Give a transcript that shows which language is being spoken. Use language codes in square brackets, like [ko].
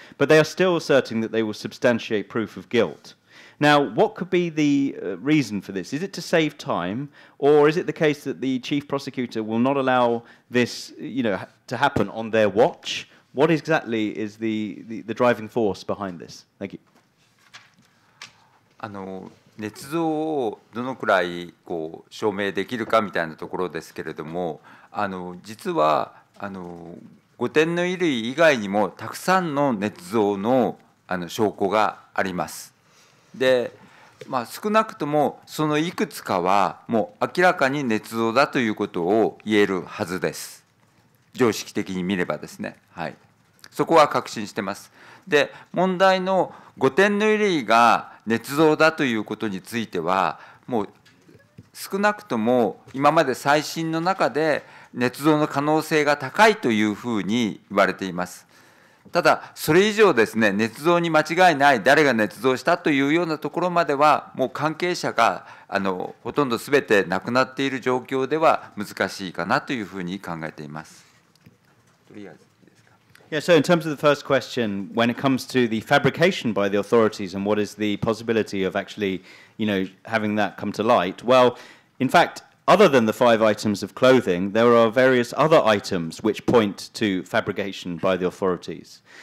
[en] But they are still asserting that they will substantiate proof of guilt. Now, what could be the reason for this? Is it to save time? Or is it the case that the chief prosecutor will not allow this, you know, to happen on their watch? What exactly is the driving force behind this? Thank you. [ja] 捏造をどのくらいこう証明できるかみたいなところですけれども、実は御殿の衣類以外にもたくさんの捏造 の証拠があります。で、少なくともそのいくつかはもう明らかに捏造だということを言えるはずです。常識的に見ればですね、はい、そこは確信してます。で、問題の御殿の衣類が捏造だということについては、もう少なくとも今まで再審の中で捏造の可能性が高いというふうに言われています。ただそれ以上ですね、捏造に間違いない、誰が捏造したというようなところまではもう関係者がほとんど全て亡くなっている状況では難しいかなというふうに考えています。とりあえず。 [en] Yeah, so in terms of the first question, when it comes to the fabrication by the authorities and what is the possibility of actually, you know, having that come to light, well, in fact, other than the five items of clothing, there are various other items which point to fabrication by the authorities.